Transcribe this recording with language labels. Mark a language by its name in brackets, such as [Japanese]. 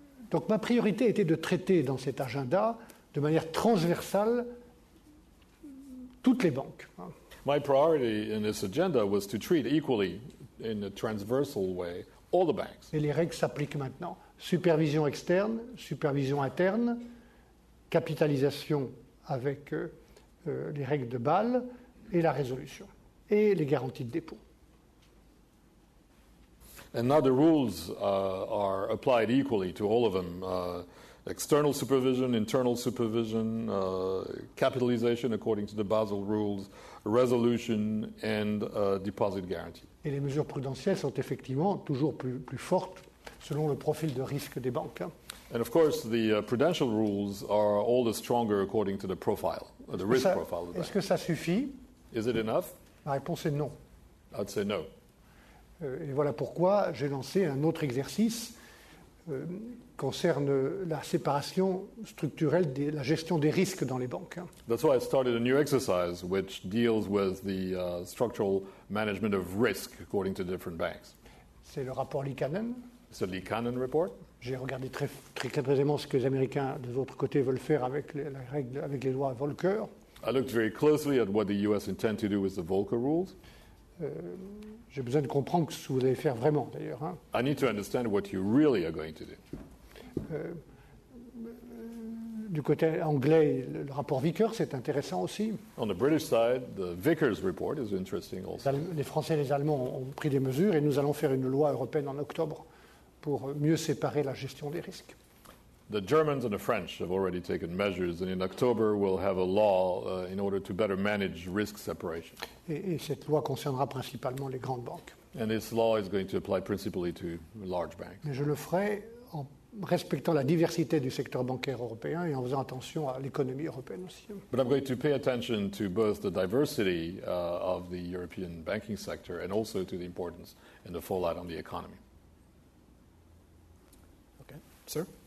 [French] Donc ma priorité était de traiter dans cet agenda de manière transversale toutes les banques. [English] My priority in this agenda was to treat equally in a transversal way all the banks. [French] Et les règles s'appliquent maintenant. Supervision externe, supervision interne, capitalisation avec les règles de Bâle et la résolution et les garanties de dépôt. [English] And now the rules are applied equally to all of them. External supervision, internal supervision, capitalization according to the Basel rules, resolution and deposit guarantee. [French] Et les mesures prudentielles sont effectivement toujours plus fortes selon le profil de risque des banques. [English] And of course the prudential rules are all the stronger according to the profile, the risk profile. [French] Est-ce que ça suffit? [English] Is it enough? [French] La réponse est non. [English] I'd say no. [French] Et voilà pourquoi j'ai lancé un autre exercice concerne la séparation structurelle de la gestion des risques dans les banques. [English] That's why I started a new exercise which deals with the structural management of risk according to different banks. [French] C'est le rapport Lee Cannon. [English] It's the Lee Cannon report. [French] J'ai regardé très précisément ce que les Américains de l'autre côté veulent faire avec les lois Volcker. [English] I looked very closely at what the US intend to do with the Volcker rules. [French] J'ai besoin de comprendre ce que vous allez faire vraiment, d'ailleurs. Hein. [English] I need to understand what you really are going to do. [French] Du côté anglais, le rapport Vickers est intéressant aussi. [English] On the British side, the Vickers report is interesting also. [French] Les Français et les Allemands ont pris des mesures et nous allons faire une loi européenne en octobre pour mieux séparer la gestion des risques. [English] The Germans and the French have already taken measures, and in October we'll have a law in order to better manage risk separation. [French] Et cette loi concernera principalement les grandes banques. [English] And this law is going to apply principally to large banks. [French] Mais je le ferai en respectant la diversité du secteur bancaire européen et en faisant attention à l'économie européenne aussi. [English] But I'm going to pay attention to both the diversity of the European banking sector and also to the importance and the fallout on the economy. Okay, sir.